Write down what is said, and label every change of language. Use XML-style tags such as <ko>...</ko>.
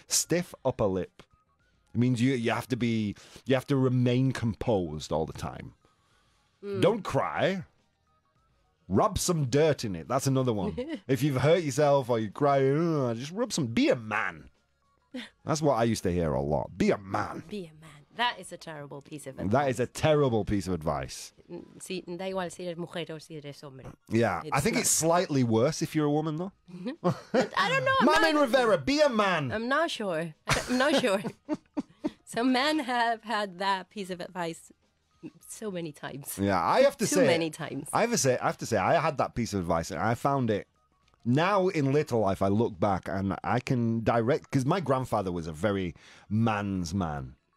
<en>Stiff upper lip. It means you have to be, you have to remain composed all the time. Mm. Don't cry. Rub some dirt in it. That's another one. If you've hurt yourself or you cry, just rub some, be a man. That's what I used to hear a lot. Be a man. Be a man. That is a terrible piece of advice. That is a terrible piece of advice.</en> <es>Si, da igual si eres mujer o si eres hombre.</es> <en>Yeah, it's, I think, not, it's slightly worse if you're a woman, though. I don't know. Mamen Rivera, be a man. I'm not sure. I'm not sure. Some men have had that piece of advice so many times. Yeah, I have to too say. Too many times. I have to say, I had that piece of advice and I found it. Now, in later life, I look back and I can direct, because my grandfather was a very man's man.</en>